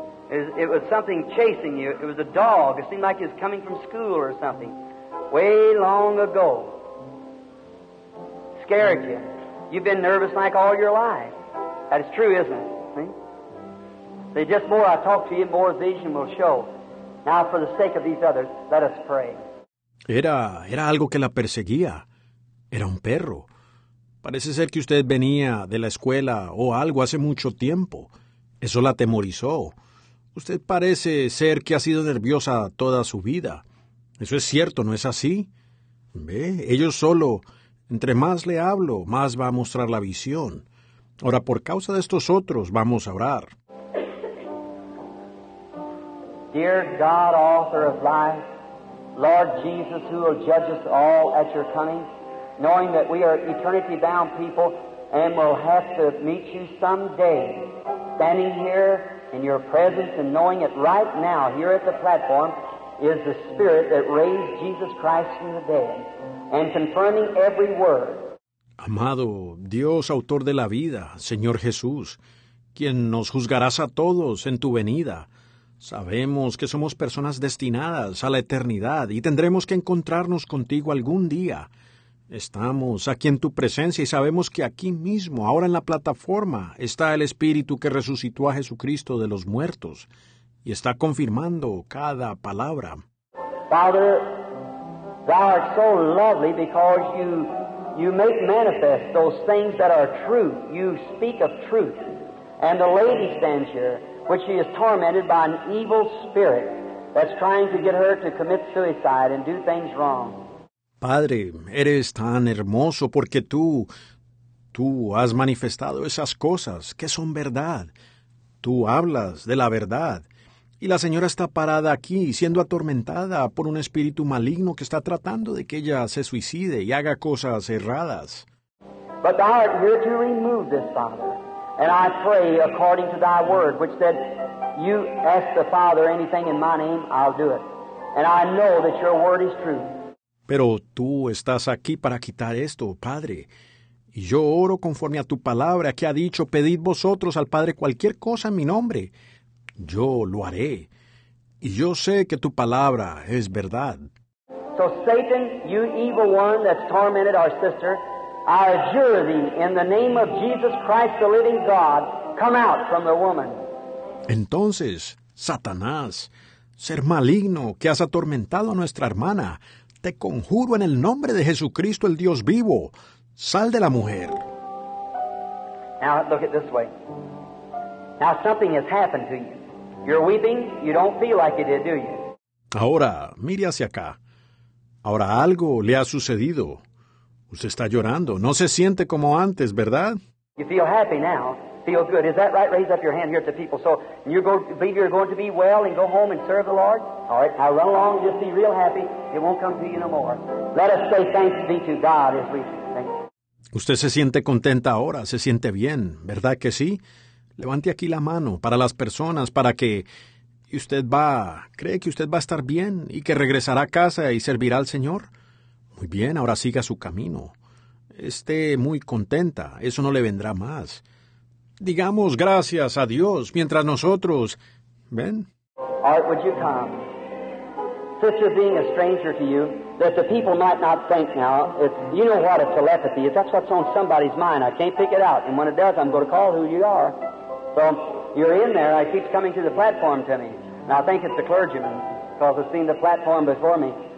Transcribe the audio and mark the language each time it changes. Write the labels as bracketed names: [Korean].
[English] It was something chasing you. It was a dog. It seemed like it was coming from school or something. Way long ago. Scared you. You've been nervous like all your life. That is true, isn't it? See? The just more I talk to you, more vision will show. Now, for the sake of these others, let us pray. [Spanish] Era algo que la perseguía. Era un perro. Parece ser que usted venía de la escuela o algo hace mucho tiempo. Eso la atemorizó. Usted parece ser que ha sido nerviosa toda su vida. Eso es cierto, ¿no es así? Ve, ellos solo, entre más le hablo, más va a mostrar la visión. Ahora, por causa de estos otros, vamos a orar. [English] Dear God, author of life, Lord Jesus, who will judge us all at your coming, knowing that we are eternity-bound people and will have to meet you someday, standing here in your presence and knowing it right now, here at the platform, is the Spirit that raised Jesus Christ from the dead and confirming every word. [Spanish] Amado Dios, autor de la vida, Señor Jesús, quien nos juzgarás a todos en tu venida, sabemos que somos personas destinadas a la eternidad y tendremos que encontrarnos contigo algún día. Estamos aquí en tu presencia y sabemos que aquí mismo, ahora en la plataforma, está el Espíritu que resucitó a Jesucristo de los muertos y está confirmando cada palabra. [English] Father, thou art so lovely because you make manifest those things that are true. You speak of truth. And the lady stands here, which she is tormented by an evil spirit that's trying to get her to commit suicide and do things wrong. [Spanish] Padre, eres tan hermoso porque tú has manifestado esas cosas que son verdad. Tú hablas de la verdad. Y la señora está parada aquí, siendo atormentada por un espíritu maligno que está tratando de que ella se suicide y haga cosas erradas. [English] But thou art here to remove this, Father. And I pray according to thy word, which said, you ask the Father anything in my name, I'll do it. And I know that your word is true. [Spanish] Pero tú estás aquí para quitar esto, Padre. Y yo oro conforme a tu palabra que ha dicho, pedid vosotros al Padre cualquier cosa en mi nombre. Yo lo haré. Y yo sé que tu palabra es verdad. [English] So Satan, you evil one that's tormented our sister, I adjure thee in the name of Jesus Christ, the living God, come out from the woman. [Spanish] Entonces, Satanás, ser maligno que has atormentado a nuestra hermana, te conjuro en el nombre de Jesucristo, el Dios vivo. Sal de la mujer. [English] Now, look at this way. Now, something has happened to you. You're weeping. You don't feel like you did, do you? [Spanish] Ahora, mire hacia acá. Ahora, algo le ha sucedido. Usted está llorando. No se siente como antes, ¿verdad? [English] You feel happy now. feel good. Is that right? Raise up your hand here to people. So you go, believe you're going to be well and go home and serve the Lord? All right. Now run along and just be real happy. It won't come to you no more. Let us say thanks be to God as we thank you. [Spanish] ¿Usted se siente contenta ahora? ¿Se siente bien? ¿Verdad que sí? Levante aquí la mano para las personas, para que... ¿Y usted va? ¿Cree que usted va a estar bien y que regresará a casa y servirá al Señor? Muy bien, ahora siga su camino. Esté muy contenta, eso no le vendrá más. Digamos gracias a Dios mientras nosotros... ¿Ven? [English] Art, would you come? Sister, being a stranger to you, that the people might not think now, if you know what a telepathy is, that's what's on somebody's mind. I can't pick it out. And when it does, I'm going to call who you are. So... You're in there. I keep coming to the platform to me. And I think it's the clergyman, because I've seen the platform before me.